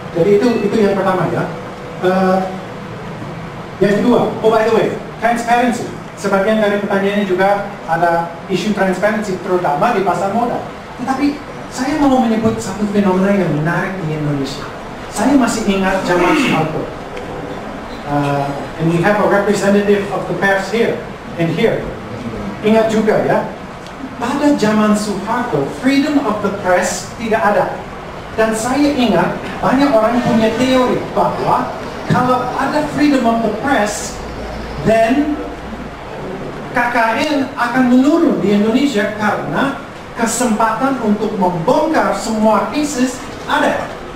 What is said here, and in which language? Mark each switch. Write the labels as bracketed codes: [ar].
[id] Jadi itu yang pertama ya. Yang kedua, [en] oh by the way, [id] transparency. Sebagian dari pertanyaannya juga ada isu transparency, terutama di pasar modal. Tetapi saya mau menyebut satu fenomena yang menarik di Indonesia. Saya masih ingat zaman Soeharto. [en] And we have a representative of the pers here and here. [id] Ingat juga ya, pada zaman Soeharto, [en] freedom of the press [id] tidak ada. Dan saya ingat banyak orang punya teori bahwa kalau ada [en] freedom of the press, [id] then KKN akan menurun di Indonesia karena kesempatan untuk membongkar semua cases ada.